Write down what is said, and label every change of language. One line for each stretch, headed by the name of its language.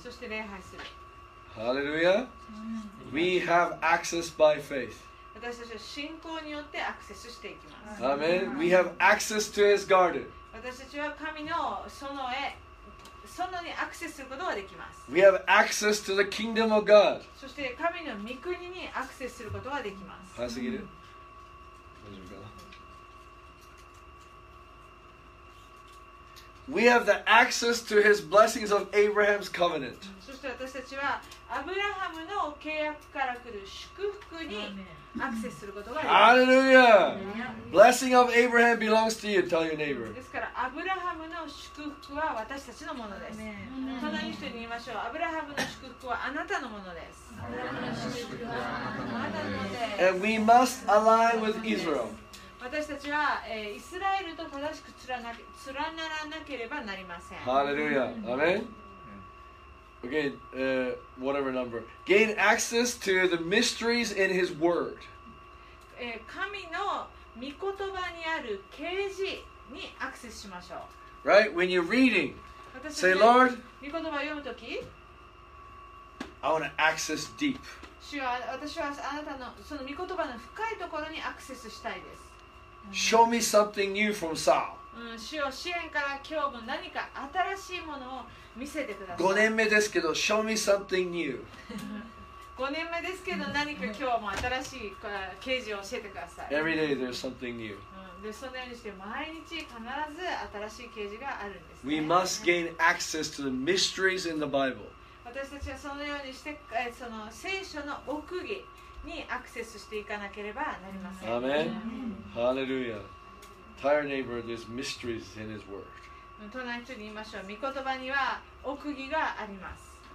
Japanese: そして礼拝する。
English: Hallelujah. We have access by faith.
Japanese: 私たちは信仰によってアクセスしていきます。
English: Amen. We have access to his garden.
Japanese: 私たちは神の園へ。そのにアクセスすることができます。
English: We have access to the kingdom of God.
Japanese: そして神の御国にアクセスすることができます。早すぎる、大丈夫かな。
English: We have the access to his blessings of Abraham's covenant.
Japanese: そして私たちはアブラハムの契約から来る祝福にアクセスすることができます。
English: Hallelujah. Blessing of Abraham belongs to you. Tell your neighbor.
Japanese: ですからアブラハムの祝福は私たちのものです。隣の人に言いましょう。アブラハムの祝福はあなたのものです。アブラハムの祝福はあなたのものです。
English: And we must align with Israel.
Japanese: 私たちは、イスラエルと正しく連ならなければなりません。
English: Hallelujah. Amen. Okay, whatever number. Gain access to the mysteries in his word.
Japanese: 神の御言葉にある啓示にアクセスしましょう。
English: Right? When you're reading, say, Lord,
Japanese: 御言葉を読むとき、
English: I want to access deep.
Japanese: 主は、私はあなたのその御言葉の深いところにアクセスしたいです。
English: Show me something new from Saul.
Japanese: 主よ、詩編から今日も何か新しいものを見せてください。 5年目ですけど、
English: show me something new.
Japanese: 5年目ですけど、何か今日も新しい啓示を教えてください。
English: Every day there's something new.
Japanese: で、そのようにして毎日必ず新しい啓示があるんです、ね。
English: We must gain access to the mysteries in the Bible.
Japanese: 私たちはそのようにして、その聖書の奥義にアクセスしていかなければなりません。アーメン。ハレルヤ。
English: Tell your neighbor there's mysteries in His word。
Japanese: 隣の人に言いましょう。御言葉には奥義があります。